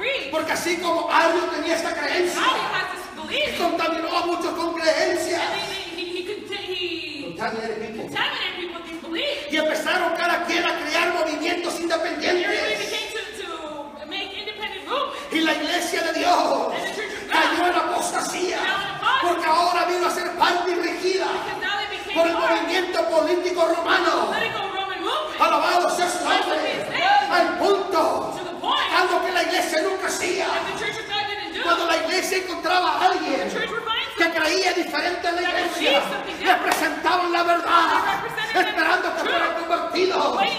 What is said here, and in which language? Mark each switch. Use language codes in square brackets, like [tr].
[es] Porque así como Arrio tenía esta creencia, y contaminó a muchos con creencias. [en] He contaminated people. [es] Y empezaron cada quien a crear movimientos independientes. [en] And everybody began to make independent movements. [es] Y la iglesia de Dios cayó en apostasía. Porque ahora vino a ser parte y regida por el movimiento político romano. Alabado sea su nombre. Al punto. Algo que la iglesia nunca hacía. Cuando la iglesia encontraba a alguien que creía diferente a la iglesia, representaban la verdad, esperando que fuera convertido.